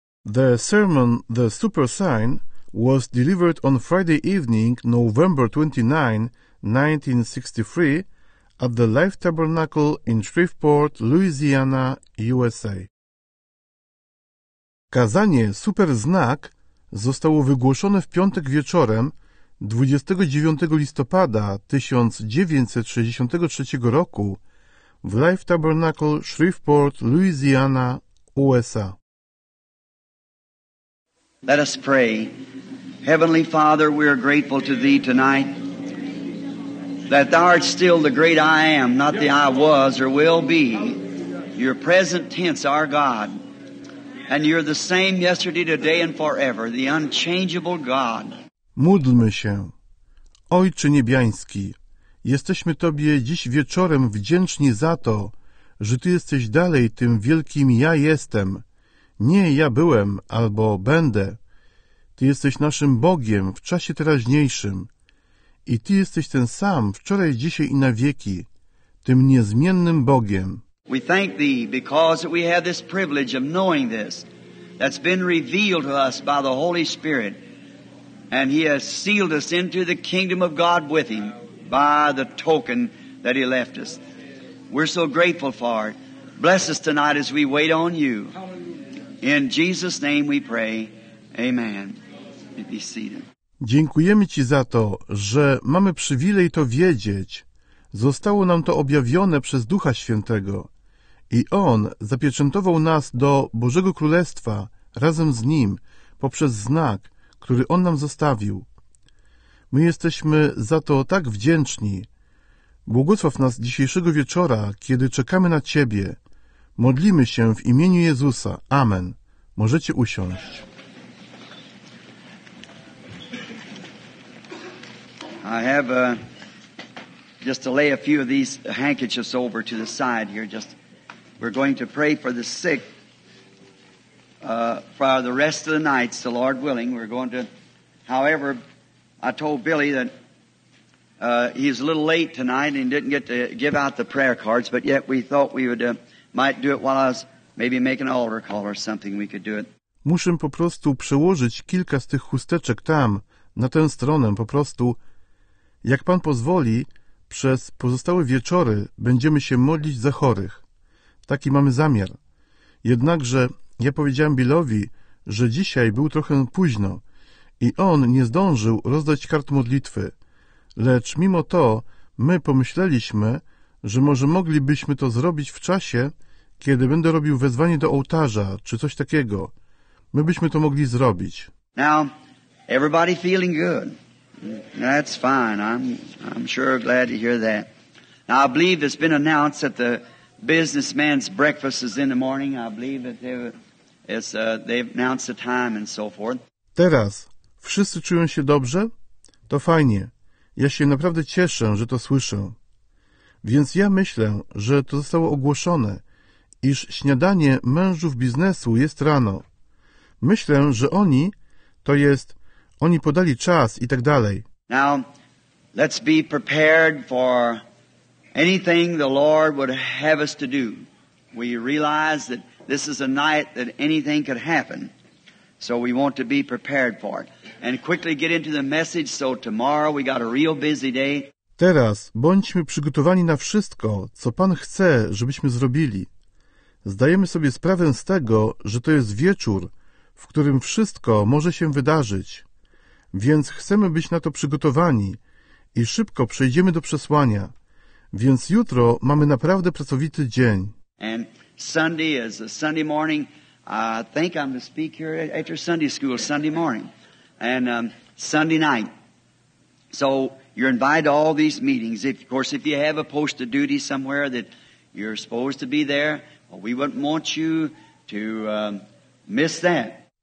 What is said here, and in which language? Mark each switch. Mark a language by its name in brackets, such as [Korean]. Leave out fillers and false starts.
[English] The sermon, The Super Sign, was delivered on Friday evening, November 29, 1963, at the Life Tabernacle in Shreveport, Louisiana, USA. [Polish] Kazanie Super Znak zostało wygłoszone w piątek wieczorem 29 listopada 1963 roku w Life Tabernacle, Shreveport, Louisiana, USA. [English] Let us pray. Heavenly Father, we are grateful to Thee tonight that Thou art still the great I Am, not the I Was or Will Be. Your present tense, our God, and You're the same yesterday, today, and forever, the unchangeable God. [Polish] Módlmy się. Ojcze Niebiański, jesteśmy Tobie dziś wieczorem wdzięczni za to, że Ty jesteś dalej tym wielkim Ja Jestem. Nie ja byłem albo będę. Ty jesteś naszym Bogiem w czasie teraźniejszym. I Ty jesteś ten sam wczoraj, dzisiaj i na wieki, tym niezmiennym Bogiem. [English] We thank Thee because we have this privilege of knowing this that's been revealed to us by the Holy Spirit. And He has sealed us into the kingdom of God with Him by the token that He left us. We're so grateful for it. Bless us tonight as we wait on You. In Jesus' name we pray. Amen. Be seated. [Polish] Dziękujemy Ci za to, że mamy przywilej to wiedzieć. Zostało nam to objawione przez Ducha Świętego i On zapieczętował nas do Bożego Królestwa razem z Nim poprzez znak, który On nam zostawił. My jesteśmy za to tak wdzięczni. Błogosław nas dzisiejszego wieczora, kiedy czekamy na Ciebie. Modlimy się w imieniu Jezusa. Amen. Możecie usiąść. [English] I have just to lay a few of these handkerchiefs over to the side here. Just we're going to pray for the sick for the rest of the night, the Lord willing. We're going to, however, I told Billy that he's a little late tonight and didn't get to give out the prayer cards, but yet we thought we would. Might do it while I was maybe making an altar call or something. We could do it. [Polish] Muszę po prostu przełożyć kilka z tych chusteczek tam, na tę stronę. Po prostu, jak Pan pozwoli, przez pozostałe wieczory będziemy się modlić za chorych. Taki mamy zamiar. Jednakże ja powiedziałem Billowi, że dzisiaj był trochę późno i on nie zdążył rozdać kart modlitwy. Lecz mimo to my pomyśleliśmy, że może moglibyśmy to zrobić w czasie, kiedy będę robił wezwanie do ołtarza, czy coś takiego. My byśmy to mogli zrobić. [English] Now, everybody feeling good. That's fine. I'm sure glad to hear that. Now, I believe it's been announced that the businessman's breakfast is in the morning. I believe that they've announced the time and so forth. [Polish] Teraz, wszyscy czują się dobrze? To fajnie. Ja się naprawdę cieszę, że to słyszę. Więc ja myślę, że to zostało ogłoszone, iż śniadanie mężów biznesu jest rano. Myślę, że oni, to jest, oni podali czas i tak dalej. [English] Now, let's be prepared for anything the Lord would have us to do. We realize that this is a night that anything could happen. So we want to be prepared for it. And quickly get into the message, so tomorrow we got a real busy day. [Polish] Teraz bądźmy przygotowani na wszystko, co Pan chce, żebyśmy zrobili. Zdajemy sobie sprawę z tego, że to jest wieczór, w którym wszystko może się wydarzyć. Więc chcemy być na to przygotowani i szybko przejdziemy do przesłania. Więc jutro mamy naprawdę pracowity dzień. [English] And Sunday is a Sunday morning. I think I'm to speak here at your Sunday school Sunday morning. And Sunday night. So you're invited to all these meetings. If, of course, if you have a post of duty somewhere that you're supposed to be there, well, we wouldn't want you to miss that.